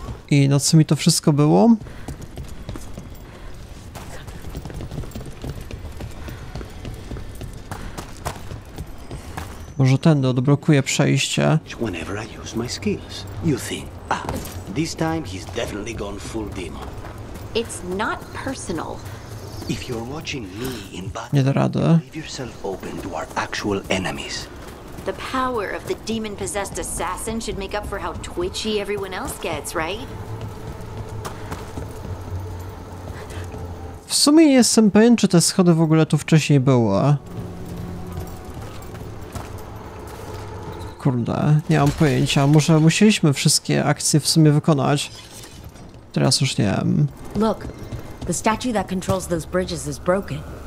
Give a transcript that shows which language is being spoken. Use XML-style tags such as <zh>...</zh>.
<pl>I na co mi to wszystko było? Może tędy odblokuje przejście.</pl> <en>Whenever I use my skills, you think. Ah, this time he's definitely gone full demon. It's not personal. If you're watching me in battle,</en> <pl>nie da rady.</pl> <en>Leave yourself open to our actual enemies. The power of the demon-possessed assassin should make up for how twitchy everyone else gets, right?</en> <pl>W sumie nie jestem pewien, czy te schody w ogóle tu wcześniej były. Kurde, nie mam pojęcia. Może musieliśmy wszystkie akcje w sumie wykonać. Teraz już nie wiem.</pl> <en>Look. The statue that controls those bridges is broken.</en>